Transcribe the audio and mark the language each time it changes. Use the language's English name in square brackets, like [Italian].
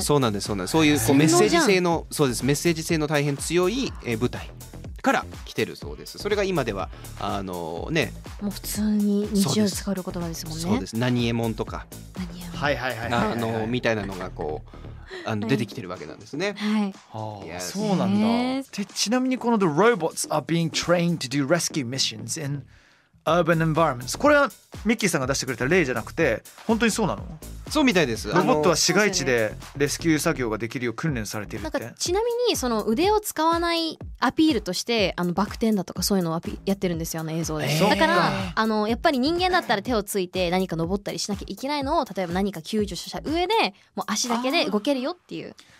[Japanese] そうなんです、そうなんです、そうい う, こうメッセージ性の、そうです、メッセージ性の大変強い、舞台から来てるそうです。それが今ではね、もう普通に日常使う言葉ですもんね。そうです。何えもんとか、はいはいはい、はい、みたいなのがこう出てきてるわけなんですね。はい。はあ、そうなんだ。で、ちなみにこの [English] The robots are being trained to do rescue missions in urban environments。 [Japanese] これはミッキーさんが出してくれた例じゃなくて、本当にそうなの？そうみたいです。ロボットは市街地でレスキュー作業ができるよう訓練されているって。なんかちなみにその腕を使わないアピールとして、バク転だとかそういうのをやってるんですよ、映像で。だからやっぱり人間だったら手をついて何か登ったりしなきゃいけないのを、例えば何か救助した上でもう足だけで動けるよっていう。